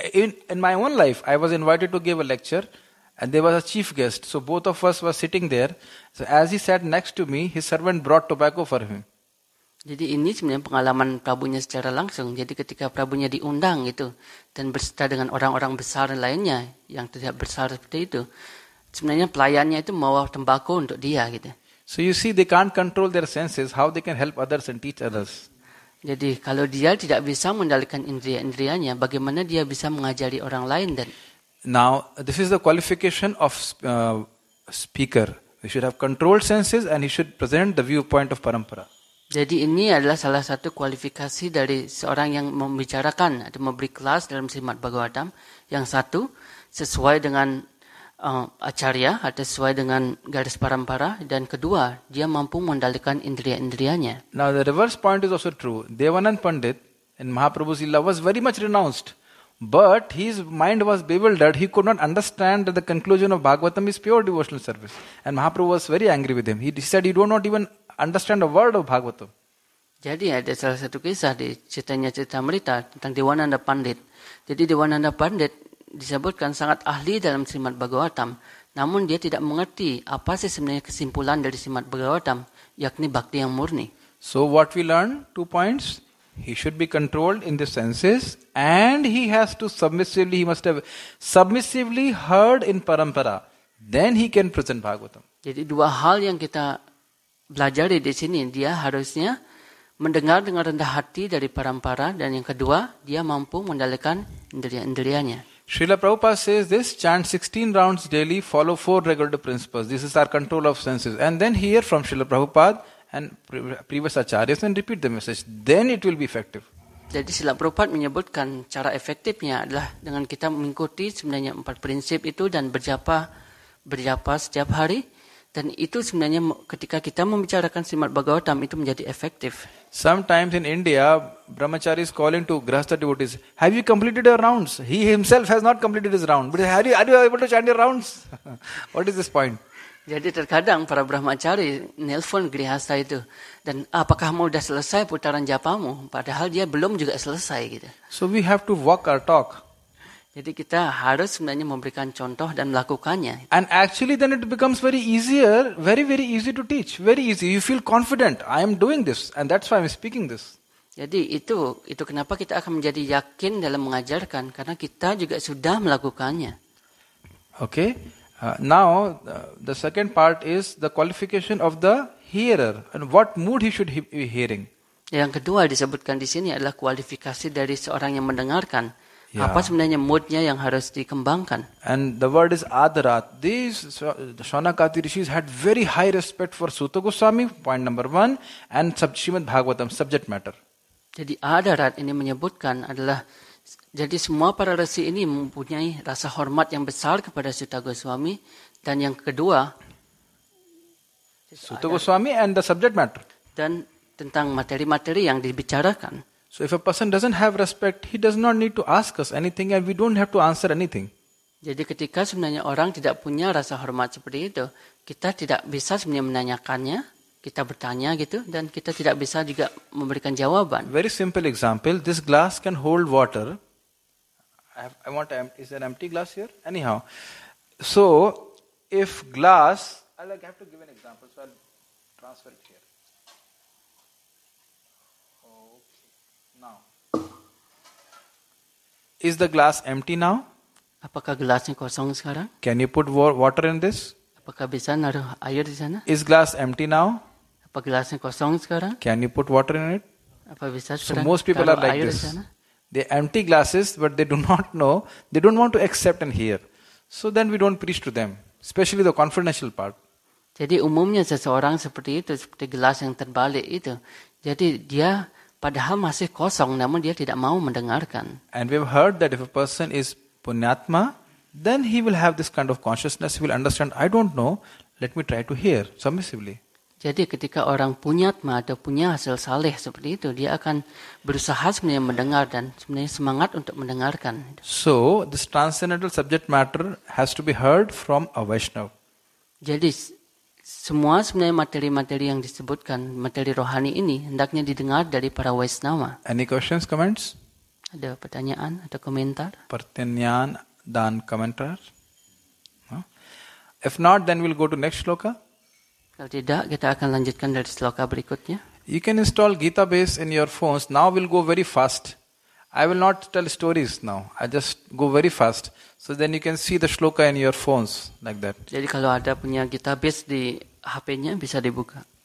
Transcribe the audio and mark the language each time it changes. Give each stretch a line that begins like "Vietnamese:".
English: In my own life, I was invited to give a lecture, and there was a chief guest. So both of us were sitting there. So as he sat next to me, his servant brought tobacco for him.
Indonesian: Jadi ini sebenarnya pengalaman prabunya secara langsung. Jadi ketika prabunya diundang gitu dan berserta dengan orang-orang besar lainnya yang tidak besar seperti itu, sebenarnya pelayannya itu membawa tembakau untuk dia gitu.
English: So you see, they can't control their senses. How they can help others and teach others?
Indonesian: Jadi kalau dia tidak bisa mengendalikan indria-indrianya, bagaimana dia bisa mengajari orang lain? Dan
English: now this is the qualification of speaker. He should have controlled senses and he should present the viewpoint of parampara.
Indonesian: Jadi ini adalah salah satu kualifikasi dari seorang yang membicarakan atau memberi kelas dalam Srimad Bhagavatam. Yang satu, sesuai dengan acarya atau sesuai dengan garis parampara, dan kedua dia mampu mengendalikan indriya-indriyanya.
English: Now the reverse point is also true. Devanand Pandit in Mahaprabhu's lila was very much renounced, but his mind was bewildered. He could not understand that the conclusion of Bhagavatam is pure devotional service, and Mahaprabhu was very angry with him. He said, "You do not even understand a word of Bhagavatam."
Indonesian: Jadi ada salah satu kisah di ceritanya Cittamrita tentang Devananda Pandit. Jadi Devananda Pandit disebutkan sangat ahli dalam Srimad Bhagavatam, namun dia tidak mengerti apa sih sebenarnya kesimpulan dari Srimad Bhagavatam, yakni bhakti yang murni.
English: So what we learn, two points: he should be controlled in the senses, and he has to submissively, he must have submissively heard in parampara, then he can present Bhagavatam.
Indonesian: Jadi dua hal yang kita belajar di sini, dia harusnya mendengar dengan rendah hati dari parampara, dan yang kedua dia mampu mengendalikan indriya-indriyanya.
English: Srila Prabhupada says this: chant 16 rounds daily, follow four regular principles. This is our control of senses. And then hear from Srila Prabhupada and previous acharyas and repeat the message. Then it will be effective.
Indonesian: Jadi Srila Prabhupada menyebutkan cara efektifnya adalah dengan kita mengikuti sebenarnya empat prinsip itu dan berjapa setiap hari. Dan itu sebenarnya ketika kita membicarakan Srimad Bhagavatam itu menjadi efektif.
English: Sometimes in India, Brahmachari is calling to grihastha devotees, "Have you completed your rounds?" He himself has not completed his round. But are you able to chant your rounds? What is this point?
Indonesian: Jadi terkadang para Brahmachari nelpon grihastha itu, dan apakah mau sudah selesai putaran japamu? Padahal dia belum juga selesai. Gitu.
English: So we have to walk our talk.
Indonesian: Jadi kita harus sebenarnya memberikan contoh dan melakukannya.
English: And actually then it becomes very easier, very very easy to teach. Very easy. You feel confident. I am doing this and that's why I'm speaking this.
Indonesian: Jadi itu kenapa kita akan menjadi yakin dalam mengajarkan, karena kita juga sudah melakukannya.
English: Okay. Now the second part is the qualification of the hearer and what mood he should be hearing.
Indonesian: Yang kedua disebutkan di sini adalah kualifikasi dari seorang yang mendengarkan. Yeah. Apa sebenarnya moodnya yang harus dikembangkan?
English: And the word is adarat. These Shaunakati rishis had very high respect for Suta Goswami, point number one, and Srimad Bhagavatam, subject matter.
Indonesian: Jadi adarat ini menyebutkan adalah, jadi semua para resi ini mempunyai rasa hormat yang besar kepada Suta Goswami, dan yang kedua,
English: Suta Goswami and the subject matter.
Indonesian: Dan tentang materi-materi yang dibicarakan.
English: So if a person doesn't have respect, he does not need to ask us anything and we don't have to answer anything.
Indonesian: Jadi ketika sebenarnya orang tidak punya rasa hormat seperti itu, kita tidak bisa sebenarnya menanyakannya, kita bertanya gitu, dan kita tidak bisa juga memberikan jawaban.
English: Very simple example, this glass can hold water. Is there an empty glass here? Anyhow, so if glass, I'll have to give an example, so I'll transfer it here. Is the glass empty now?
Indonesian: Apakah gelasnya kosong sekarang?
English: Can you put water in this?
Indonesian: Apakah bisa naruh air di sana?
English: Is glass empty now?
Indonesian: Apakah gelasnya kosong sekarang?
English: Can you put water in it?
Indonesian: Apa bisa
English: so most people are like this. They empty glasses, but they do not know. They don't want to accept and hear. So then we don't preach to them, especially the confidential part.
Indonesian: Jadi umumnya seseorang seperti itu, seperti gelas yang terbalik itu. Jadi dia padahal masih kosong, namun dia tidak mau mendengarkan.
English: And we've heard that if a person is punyatma, then he will have this kind of consciousness. He will understand, I don't know, let me try to hear submissively.
Indonesian: Jadi ketika orang punyatma atau punya hasil saleh seperti itu, dia akan berusaha sebenarnya mendengar dan sebenarnya semangat untuk mendengarkan.
English: So, this transcendental subject matter has to be heard from a Vaishnava.
Indonesian: Jadi, semua sebenarnya materi-materi yang disebutkan, materi rohani ini, hendaknya didengar dari para Vaisnava.
English: Any questions, comments?
Indonesian: Ada pertanyaan atau komentar? Pertanyaan dan komentar?
English: No? If not, then we'll go to next sloka.
Indonesian: Kalau tidak, kita akan lanjutkan dari sloka berikutnya.
English: You can install Gita Base in your phones. Now we'll go very fast. I will not tell stories now. I just go very fast. So then you can see the shloka in your phones like that.
Indonesian: Jadi kalau ada punya kitab di HP-nya bisa dibuka.